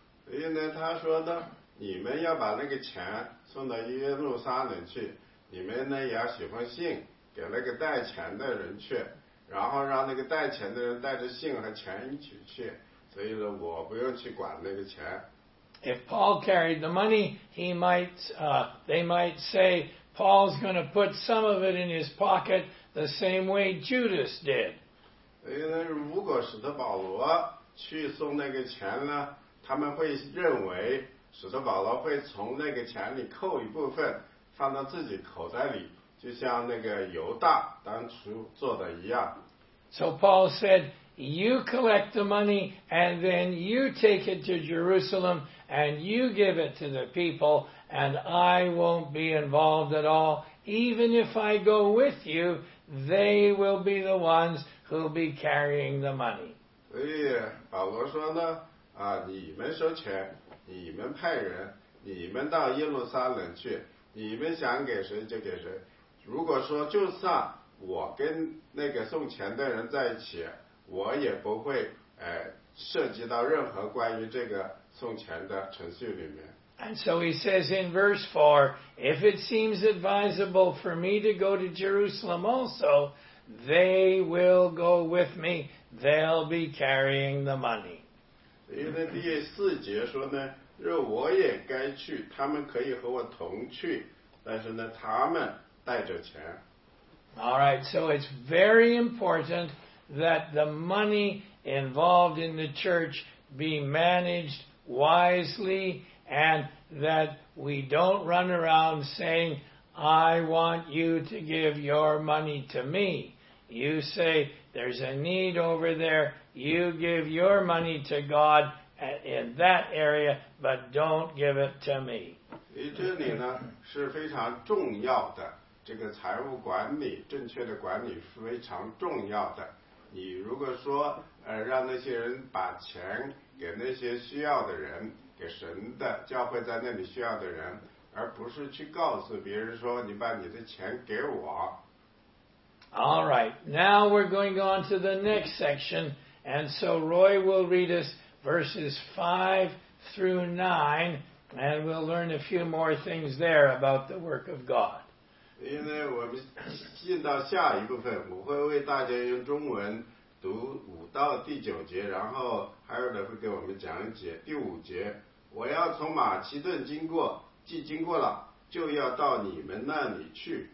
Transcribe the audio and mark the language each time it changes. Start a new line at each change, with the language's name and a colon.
Chinese: 因为他说的，你们要把那个钱送到耶路撒冷去，你们呢也要写封信给那个带钱的人去，然后让那个带钱的人带着信和钱一起去，所以呢我不用去管那个钱。
English: If Paul carried the money, he might, they might say, Paul's going to put some of it in his pocket the same way Judas did.
Chinese: 因为如果使徒保罗去送那个钱呢，他们会认为使徒保罗会从那个钱里扣一部分放到自己口袋里，就像那个犹大当初做的一样。
English: So Paul said, you collect the money and then you take it to Jerusalem and you give it to the people and I won't be involved at all. Even if I go with you, they will be the ones who'll be carrying the money.
Chinese: 所以保罗说呢，你们收钱，你们派人，你们到耶路撒冷去，你们想给谁就给谁。如果说就算我跟那个送钱的人在一起，我也不会涉及到任何关于这个送钱的程序里面。
English: And so he says in verse 4, if it seems advisable for me to go to Jerusalem also, they will go with me. They'll be carrying the money.
Chinese: 因为第四节说呢，若我也该去，他们可以和我同去，但是呢，他们带着钱。
English: All right, so it's very important that the money involved in the church be managed wisely and that we don't run around saying, I want you to give your money to me. You say, there's a need over there. You give your money to God in that area, but don't give it to me.
Chinese: 这里呢是非常重要的，这个财务管理，正确的管理是非常重要的。你如果说让那些人把钱给那些需要的人，给神的教会在那里需要的人，而不是去告诉别人说你把你的钱给我。
English: All right, now we're going on to the next section, and so Roy will read us verses 5 through 9, and we'll learn a few more things there about the work of God.
Chinese: 因为我们进到下一部分，我会为大家用中文读五到第九节，然后还有的会给我们讲解第五节。我要从马其顿经过，既经过了，就要到你们那里去。